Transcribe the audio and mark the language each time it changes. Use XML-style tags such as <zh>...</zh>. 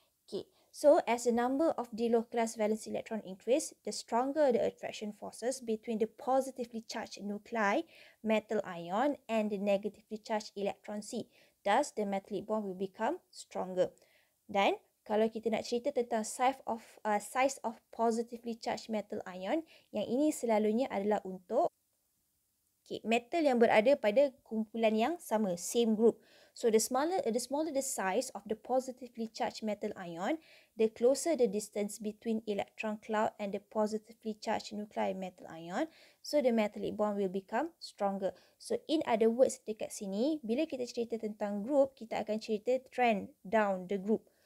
<en>Okay, so as the number of delocalized valence electron increase, the stronger the attraction forces between the positively charged nuclei metal ion and the negatively charged electron C. Thus, the metallic bond will become stronger. Then,</en> <ms>kalau kita nak cerita tentang size of positively charged metal ion, yang ini selalunya adalah untuk metal yang berada pada kumpulan yang sama, same group.</ms> <en>So the smaller the size of the positively charged metal ion, the closer the distance between electron cloud and the positively charged nuclei metal ion, so the metallic bond will become stronger. So in other words</en> <ms>dekat sini, bila kita cerita tentang group, kita akan cerita trend down the group.</ms>